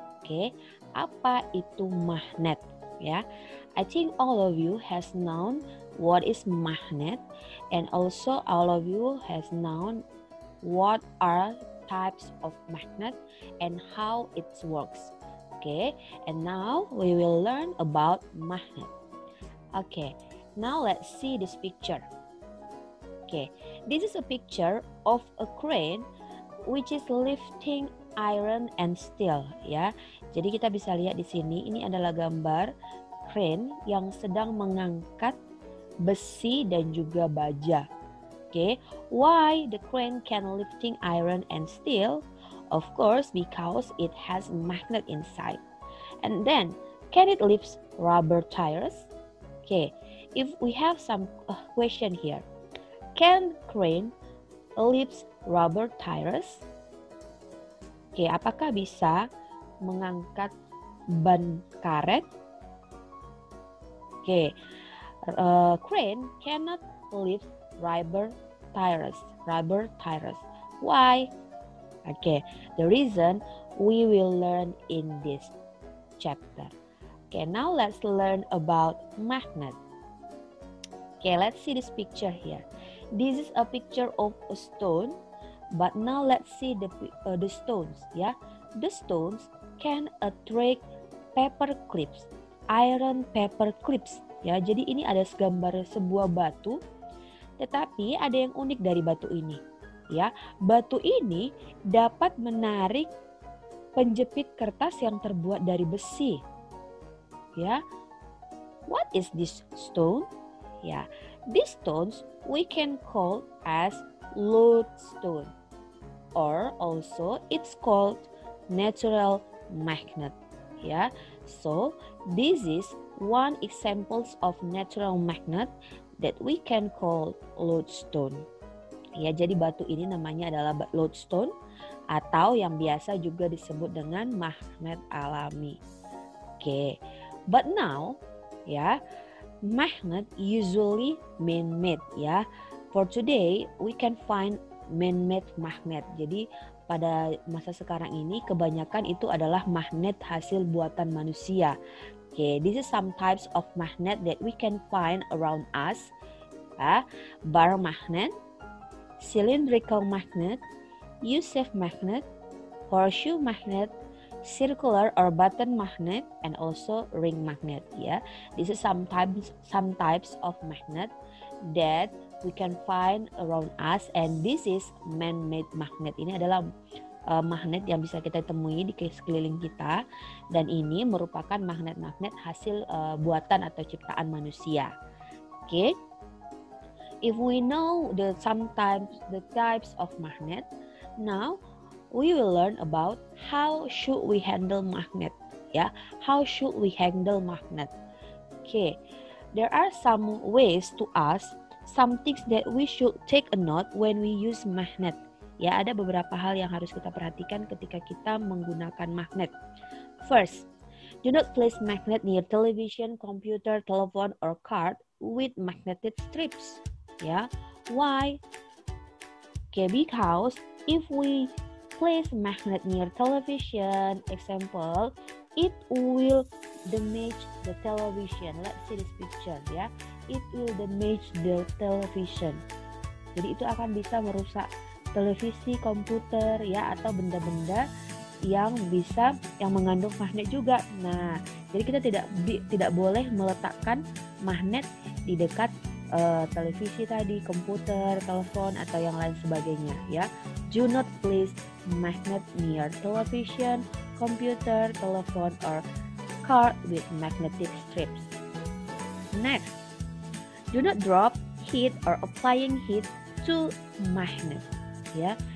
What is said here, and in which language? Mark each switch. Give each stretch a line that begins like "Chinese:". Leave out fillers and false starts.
English: Okay,
Indonesian: apa itu magnet?
English: Yeah, I think all of you has known what is magnet, and also all of you has known what are types of magnet and how it works. Okay, and now we will learn about magnet. Okay, now let's see this picture. Okay, this is a picture of a crane which is lifting iron and steel, ya.
Indonesian: Jadi kita bisa lihat di sini, ini adalah gambar crane yang sedang mengangkat besi dan juga baja.
English: Okay, why the crane can lifting iron and steel? Of course, because it has magnet inside. And then, can it lift rubber tires? Okay, if we have some question here, can crane lift rubber tires?
Indonesian: Okay, apakah bisa mengangkat ban karet?
English: Okay, crane cannot lift rubber tires. Why? Okay, the reason we will learn in this chapter. Okay, now let's learn about magnet. Okay, let's see this picture here. This is a picture of a stone, but now let's see the stones. Yeah, the stones can attract paper clips, iron paper clips.
Indonesian: Ya, jadi ini ada gambar sebuah batu, tetapi ada yang unik dari batu ini. Ya, batu ini dapat menarik penjepit kertas yang terbuat dari besi.
English: Ya, what is this stone? Ya, these stones we can call as lodestone, or also it's called natural magnet. Ya, so this is one examples of natural magnet that we can call lodestone.
Indonesian: Ya, jadi batu ini namanya adalah lodestone atau yang biasa juga disebut dengan magnet alami.
English: Oke. Okay. But now, ya, magnet usually man-made, ya. For today, we can find man-made magnet.
Indonesian: Jadi pada masa sekarang ini kebanyakan itu adalah magnet hasil buatan manusia.
English: Oke, okay, this is some types of magnet that we can find around us. Bar magnet, cylindrical magnet, U-shape magnet, horseshoe magnet, circular or button magnet, and also ring magnet. Yeah, this is some types of magnet that we can find around us, and this is man-made magnet.
Indonesian: Ini adalah magnet yang bisa kita temui di sekeliling kita, dan ini merupakan magnet-magnet hasil buatan atau ciptaan manusia. Oke. Okay.
English: If we know the types of magnet, now we will learn about how should we handle magnet. Yeah, how should we handle magnet? Oke. Okay. There are some ways to ask some things that we should take a note when we use magnet.
Indonesian: Ya, ada beberapa hal yang harus kita perhatikan ketika kita menggunakan magnet.
English: First, do not place magnet near television, computer, telephone, or card with magnetic strips. Ya, why? Okay, because if we place magnet near television, example, it will damage the television. Let's see this picture, ya. It will damage the television.
Indonesian: Jadi itu akan bisa merusak televisi, komputer, ya, atau benda-benda yang bisa yang mengandung magnet juga. Nah, jadi kita tidak boleh meletakkan magnet di dekat televisi tadi, komputer, telepon, atau yang lain sebagainya, ya.
English: Do not place magnet near television, computer, telephone, or car with magnetic strips. Next, do not drop heat or applying heat to magnet, ya.